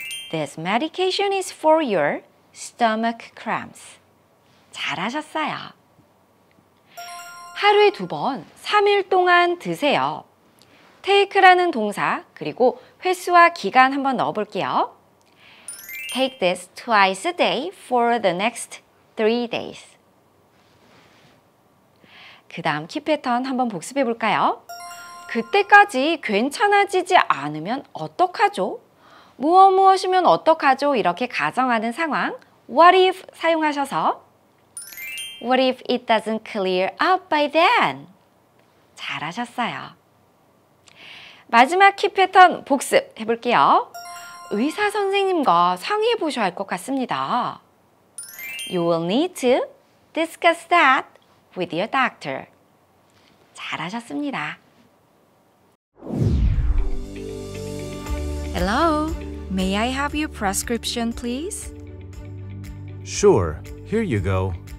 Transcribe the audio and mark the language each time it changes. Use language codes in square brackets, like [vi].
[en] This medication is for your stomach cramps. [ko] 잘하셨어요. 하루에 두 번, 3일 동안 드세요. take라는 동사, 그리고 횟수와 기간 한번 넣어볼게요. [en] Take this twice a day for the next 3 days. [ko] 그 다음 키 패턴 한번 복습해 볼까요? 그때까지 괜찮아지지 않으면 어떡하죠? 무엇 무엇이면 어떡하죠? 이렇게 가정하는 상황 [en] What if [ko] 사용하셔서 [en] What if it doesn't clear up by then? [ko] 잘하셨어요. 마지막 키 패턴 복습 해볼게요. 의사 선생님과 상의해 보셔야 할 것 같습니다. [en] You will need to discuss that with your doctor. [ko] 잘하셨습니다. [en] Hello, may I have your prescription, please? Sure, here you go.